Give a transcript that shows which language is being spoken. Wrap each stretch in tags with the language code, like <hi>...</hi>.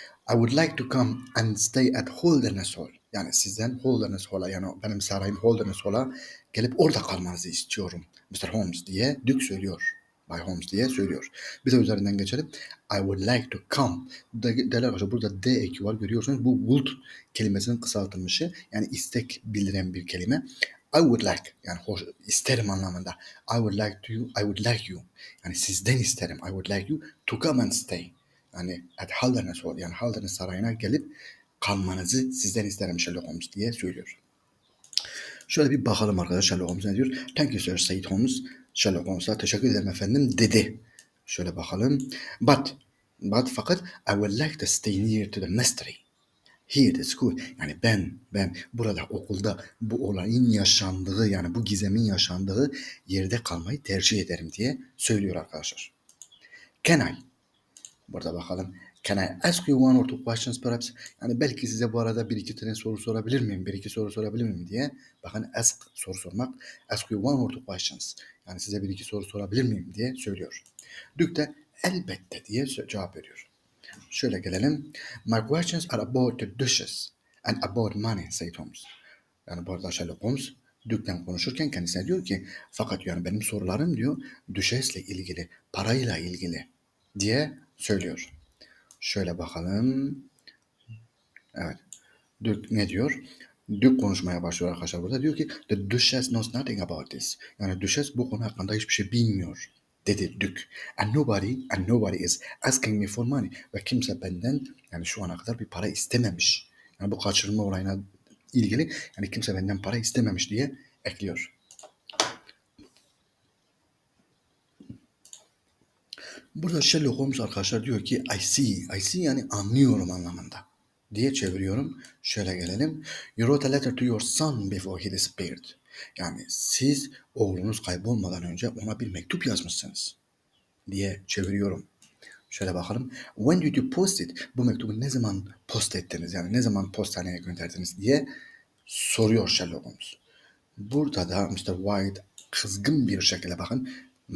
<en>I would like to come and stay at Holderness Hall.</en> <tr>Yani sizden Holderness Hall'a, yani benim sarayım Holderness Hall'a gelip orada kalmanızı istiyorum Mr. Holmes diye Duke söylüyor Bay Holmes diye söylüyor. Bir de üzerinden geçelim.</tr> <en>I would like to come.</en> <tr>Değerli arkadaşlar burada D eki var. Görüyorsunuz bu would kelimesinin kısaltılmışı. Yani istek bildiren bir kelime.</tr> <en>I would like.</en> <tr>Yani hoş, isterim anlamında.</tr> <en>I would like to you. I would like you.</en> <tr>Yani sizden isterim.</tr> <en>I would like you to come and stay. Yani at Haldane's Hall.</en> <tr>Yani Haldane's Sarayı'na gelip kalmanızı sizden isterim Sherlock Holmes diye söylüyor. Şöyle bir bakalım arkadaşlar Sherlock Holmes ne diyor.</tr> <en>Thank you sir Said Holmes.</en> <tr>Sherlock Holmes'a teşekkür ederim efendim dedi. Şöyle bakalım.</tr> <en>But fakat I would like to stay near to the mystery. Here the school.</en> <tr>Yani ben burada okulda bu olayın yaşandığı yani bu gizemin yaşandığı yerde kalmayı tercih ederim diye söylüyor arkadaşlar.</tr> <en>Can I?</en> <tr>Burada bakalım.</tr> <en>Can I ask you one or two questions perhaps?</en> <tr>Yani belki size bu arada bir iki tane soru sorabilir miyim? Bir iki soru sorabilir miyim diye. Bakın ask soru sormak.</tr> <en>Ask you one or two questions.</en> <tr>Yani size bir iki soru sorabilir miyim diye söylüyor. Duke de elbette diye cevap veriyor. Şöyle gelelim.</tr> <en>My questions are about the dishes and about money, said Holmes.</en> <tr>Yani bu arada Sherlock Holmes Duke'den konuşurken kendisine diyor ki fakat yani benim sorularım diyor dishes'le ilgili, parayla ilgili diye söylüyor. Şöyle bakalım. Evet. Duke ne diyor? Duke konuşmaya başlıyor arkadaşlar burada. Diyor ki</tr> <en>the Duchess knows nothing about this.</en> <tr>Yani Duchess bu konu hakkında hiçbir şey bilmiyor. Dedi Duke.</tr> <en>And nobody is asking me for money.</en> <tr>Ve kimse benden yani şu ana kadar bir para istememiş. Yani bu kaçırılma olayına ilgili yani kimse benden para istememiş diye ekliyor. Burada Sherlock Holmes arkadaşlar diyor ki</tr> <en>I see</en> <tr>yani anlıyorum anlamında diye çeviriyorum. Şöyle gelelim.</tr> <en>You wrote a letter to your son before he disappeared.</en> <tr>Yani siz oğlunuz kaybolmadan önce ona bir mektup yazmışsınız diye çeviriyorum. Şöyle bakalım.</tr> <en>When did you post it?</en> <tr>Bu mektubu ne zaman post ettiniz? Yani ne zaman postaneye gönderdiniz diye soruyor Sherlock Holmes. Burada da Mr. White kızgın bir şekilde bakın. Mr.</tr>